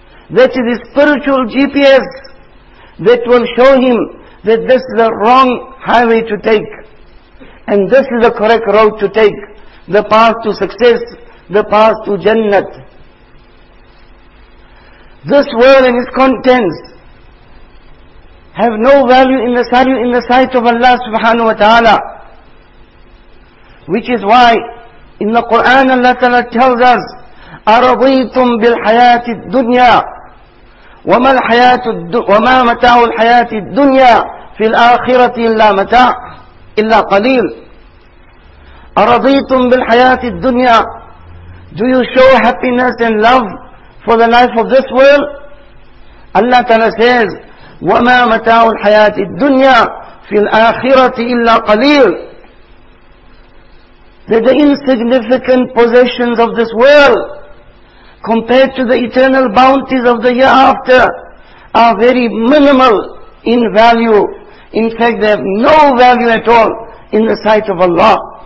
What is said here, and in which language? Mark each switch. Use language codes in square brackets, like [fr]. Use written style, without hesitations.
[en] That is a spiritual GPS that will show him that this is the wrong highway to take, and this is the correct road to take, the path to success, the path to Jannat. This world and its contents have no value in the sight of Allah subhanahu wa ta'ala. Which is why in the Quran Allah Ta'ala tells us, [ar] أَرَضِيْتُمْ بِالْحَيَاةِ الدُّنْيَا وَمَا مَتَاعُ الْحَيَاةِ الدُّنْيَا فِي الْآخِرَةِ إِلَّا مَتَاعُ إِلَّا قَلِيلٌ. أَرَضِيْتُمْ بِالْحَيَاةِ الدُّنْيَا, [en] do you show happiness and love for the life of this world? Allah Ta'ala says, [ar] وَمَا مَتَاعُ الْحَيَاةِ الدُّنْيَا فِي الْآخِرَةِ إِلَّا قَلِيلٌ. [en] That the insignificant possessions of this world compared to the eternal bounties of the hereafter are very minimal in value. In fact, they have no value at all in the sight of Allah.